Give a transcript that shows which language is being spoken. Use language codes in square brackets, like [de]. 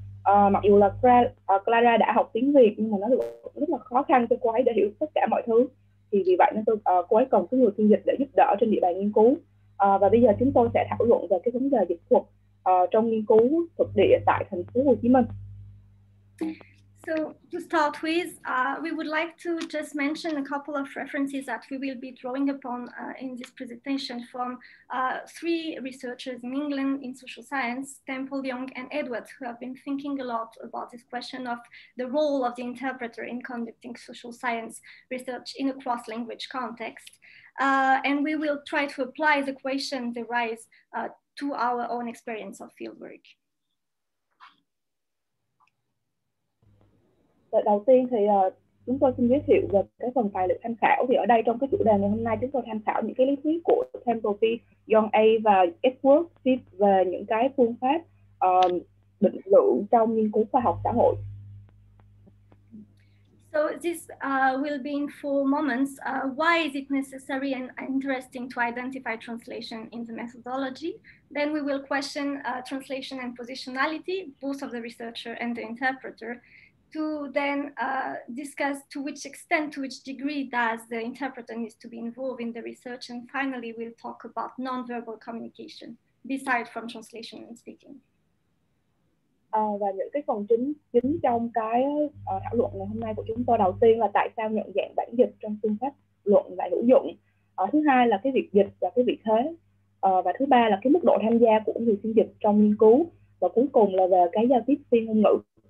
[vi] Mặc dù là Clara đã học tiếng Việt nhưng mà nó rất là khó khăn cho cô ấy để hiểu tất cả mọi thứ, thì vì vậy nên cô ấy cần cái người phiên dịch để giúp đỡ trên địa bàn nghiên cứu. Và bây giờ chúng tôi sẽ thảo luận về cái vấn đề dịch thuật trong nghiên cứu thực địa tại Thành phố Hồ Chí Minh. [en] So to start with, we would like to just mention a couple of references that we will be drawing upon in this presentation from three researchers in England in social science, Temple, Young and Edwards, who have been thinking a lot about this question of the role of the interpreter in conducting social science research in a cross-language context. And we will try to apply the question derived to our own experience of fieldwork. [vi] Đầu tiên thì chúng tôi xin giới thiệu về cái phần tài liệu tham khảo. Thì ở đây trong cái chủ đề ngày hôm nay chúng tôi tham khảo những cái lý thuyết của Temple, Young A và Edwards về những cái phương pháp định lượng trong nghiên cứu khoa học xã hội. [en] So this will be in four moments. Why is it necessary and interesting to identify translation in the methodology? Then we will question translation and positionality, both of the researcher and the interpreter. To then discuss to which extent, to which degree does the interpreter needs to be involved in the research. And finally, we'll talk about nonverbal communication, besides from translation and speaking. [vi] Và những cái phần chính trong cái thảo luận ngày hôm nay của chúng tôi, đầu tiên là tại sao nhận dạng bản dịch trong phương pháp luận lại hữu dụng. Thứ hai là cái việc dịch và cái việc thế. Và thứ ba là cái mức độ tham gia của người phiên dịch trong nghiên cứu. Và cuối cùng là về cái giao tiếp phi ngôn ngữ.